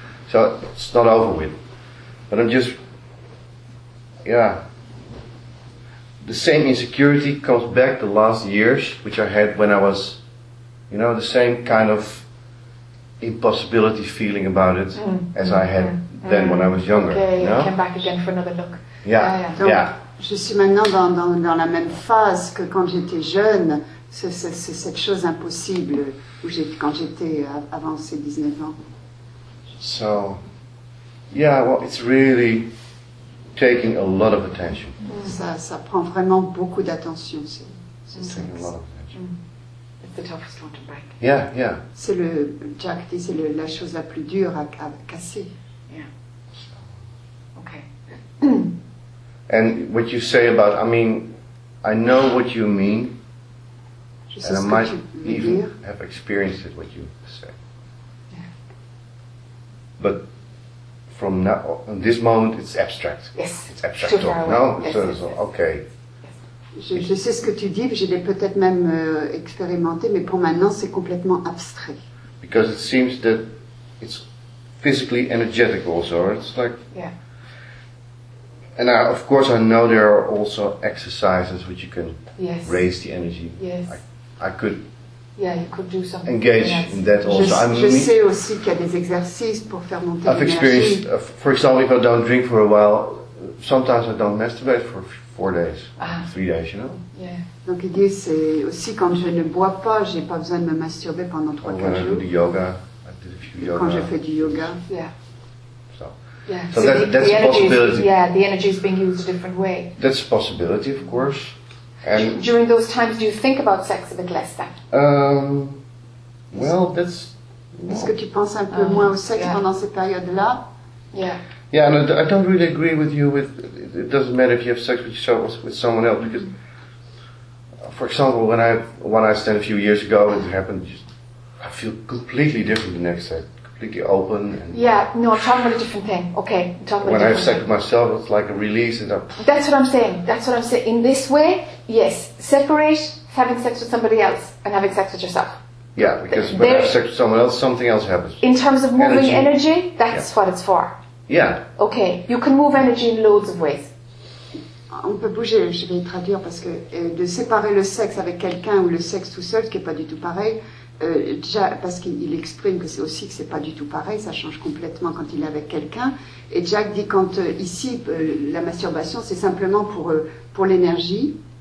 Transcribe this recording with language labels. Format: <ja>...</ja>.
<en>So it's not over with. But I'm just, the same insecurity comes back the last years, which I had when I was, you know, the same kind of impossibility feeling about it as I had then when I was younger. Okay, you know? Came back again for another look. Yeah.</en> <fr>Donc, je suis maintenant dans la même phase que quand j'étais jeune. C'est cette chose impossible où quand j'étais avant ces 19 ans.</fr> <en>So, yeah, well, it's really taking a lot of attention.</en> <fr>Ça prend vraiment beaucoup d'attention, ce sexe.</fr> <en>It's taking a lot of attention. It's the toughest one to break. Yeah.</en> <fr>C'est le, Jack dit, c'est la chose la plus dure à casser.</fr> <en>Yeah. Okay. And what you say about, I know what you mean.</en> <fr>Je sais</fr> <en>and I might even</en> <fr>dire.</fr> <en>Have experienced it, what you say. Yeah. But from now, in this moment, it's abstract. Yes. It's abstract. Too far away. No. Yes. Okay.</en> <fr>Je sais ce que tu dis. Je l'ai peut-être même expérimenté, mais pour maintenant, c'est complètement abstrait.</fr> <en>Because it seems that it's physically energetic also. It's like. Yeah. And I, of course, I know there are also exercises which you can raise the energy. Yes. I could engage in that also.</en> <fr>Je sais aussi qu'il y a des exercices pour faire monter l'énergie.</fr> <en>I've experienced, for example, if I don't drink for a while, sometimes I don't masturbate for 4 days, 3 days, you know. Yeah.</en> <fr>Donc il dit c'est aussi quand je ne bois pas, j'ai pas besoin de me masturber pendant 3-4 jours.</fr> <en>When I do the yoga, I did a few yoga.</en> <fr>Quand je fais du yoga.</fr> <en>Yeah. So that's a possibility. Yeah, the energy is being used a different way. That's a possibility, of course. And during those times, do you think about sex a bit less then? That's. No.</en> <fr>Est-ce que tu penses un peu moins au sexe pendant ces périodes-là?</fr> <en>Yeah. Yeah, and I don't really agree with you. It doesn't matter if you have sex with someone else because, for example, when I stand a few years ago, it happened. Just, I feel completely different the next day, completely open. I'm talking about a different thing. Okay, I'm talking about. When I have sex with myself, it's like a release, and that's what I'm saying. That's what I'm saying. In this way. Yes, separate having sex with somebody else and having sex with yourself. Yeah, because when you have sex with someone else, something else happens. In terms of moving energy that's what it's for. Yeah. Okay, you can move energy in loads of ways.</en> <fr>On peut bouger, je vais traduire, parce que de séparer le sexe avec quelqu'un ou le sexe tout seul, ce qui n'est pas du tout pareil, déjà, parce qu'il exprime que c'est aussi que ce n'est pas du tout pareil, ça change complètement quand il est avec quelqu'un. Et Jack dit quand ici, la masturbation, c'est simplement pour l'énergie.</fr>